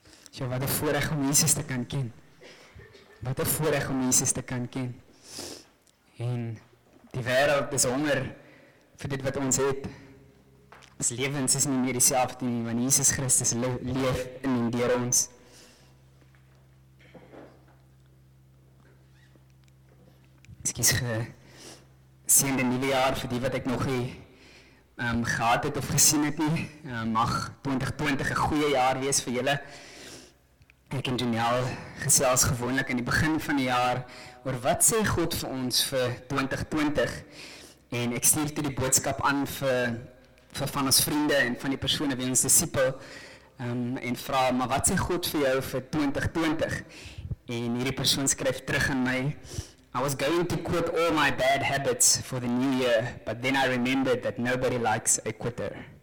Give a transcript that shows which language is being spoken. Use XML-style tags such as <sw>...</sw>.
<af>Ja, wat een voorrecht om Jesus te kan ken. Wat een voorrecht om Jesus te kan ken. En die wereld is honger vir dit wat ons het. Ons levens is nie meer dieselfde nie, want Jesus Christus leef in en deur ons. Excuse, geseende nuwe jaar vir die wat ek nog nie gehad het of gesien het nie. Mag 2020 een goeie jaar wees vir julle. Ek en Janelle gesels gewoonlik in die begin van die jaar oor wat sê God vir ons vir 2020. En ek stuur toe die boodskap aan vir van ons vriende en van die persone wie ons disipel en vra, maar wat sê God vir jou vir 2020? En hierdie persoon skryf terug in my,</af> <en>I was going to quit all my bad habits for the new year, but then I remembered that nobody likes a quitter.</en>